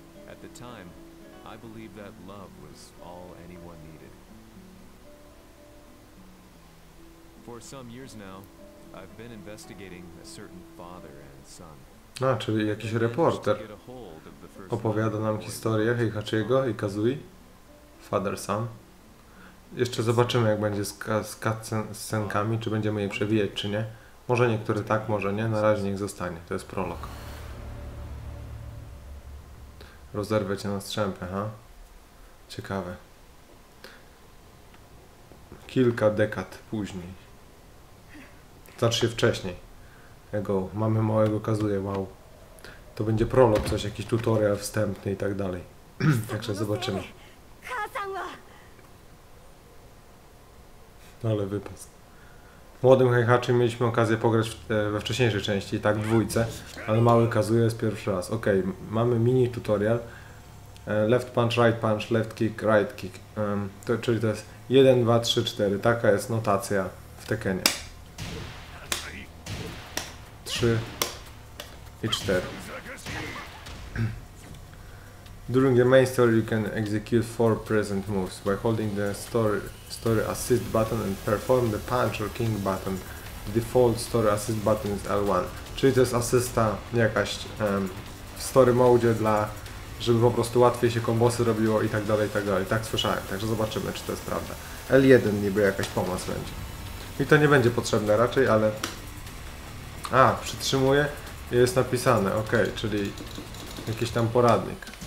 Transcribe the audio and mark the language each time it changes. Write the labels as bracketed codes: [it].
[en] At the time, I believed that love was all anyone needed. For some years now, I've been investigating a certain father and son. [pl] A, czyli jakiś reporter opowiada nam historię Heihachiego i Kazui. [en] Father, son. [pl] Jeszcze zobaczymy, jak będzie z cutscenkami, czy będziemy je przewijać, czy nie. Może niektóre tak, może nie. Na razie niech zostanie. To jest prolog. Rozerwę cię na strzępy, ha? Ciekawe. Kilka dekad później. Znaczy się wcześniej. Jego mamy małego Kazuje, wow. To będzie prolog, coś, jakiś tutorial wstępny i tak dalej. Także zobaczymy. Ale wypas. W młodym Heihachi mieliśmy okazję pograć we wcześniejszej części, tak w dwójce, ale mały Kazuje jest pierwszy raz. Okej, mamy mini tutorial. [en] Left punch, left kick, right kick. [pl] Czyli to jest 1, 2, 3, 4. Taka jest notacja w Tekkenie. 3 i 4. [en] During the main story you can execute 4 present moves by holding the story assist button and perform the punch or kick button. The default story assist button is L1. [pl] Czyli to jest asysta jakaś w story mode dla, żeby po prostu łatwiej się kombosy robiło i tak dalej, i tak dalej. Tak słyszałem, także zobaczymy, czy to jest prawda. L1 niby jakaś pomoc będzie. I to nie będzie potrzebne raczej, ale... A, przytrzymuje i jest napisane, ok, czyli jakiś tam poradnik.